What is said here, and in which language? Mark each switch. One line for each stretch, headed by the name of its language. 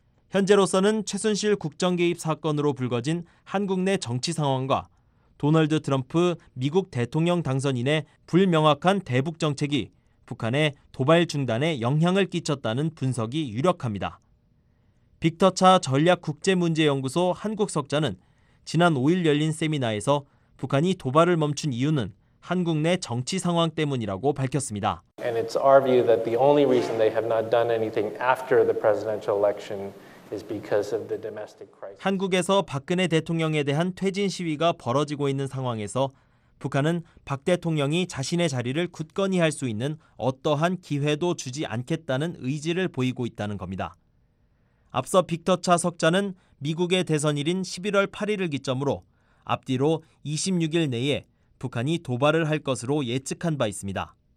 Korean: 현재로서는 최순실 국정 개입 사건으로 불거진 한국 내 정치 상황과 도널드 트럼프 미국 대통령 당선인의 불명확한 대북 정책이 북한의 도발 중단에 영향을 끼쳤다는 분석이 유력합니다. 빅터 차 전략국제문제연구소 한국 석좌는 지난 5일 열린 세미나에서 북한이 도발을 멈춘 이유는 한국 내 정치 상황 때문이라고 밝혔습니다.
English: And it's our view that the only reason they have not done anything after the presidential election is because of the domestic crisis.
Korean: 한국에서 박근혜 대통령에 대한 퇴진 시위가 벌어지고 있는 상황에서 북한은 박 대통령이 자신의 자리를 굳건히 할 수 있는 어떠한 기회도 주지 않겠다는 의지를 보이고 있다는 겁니다. 앞서 빅터 차 석좌는 미국의 대선일인 11월 8일을 기점으로 앞뒤로 26일 내에 북한이 도발을 할 것으로 예측한 바 있습니다.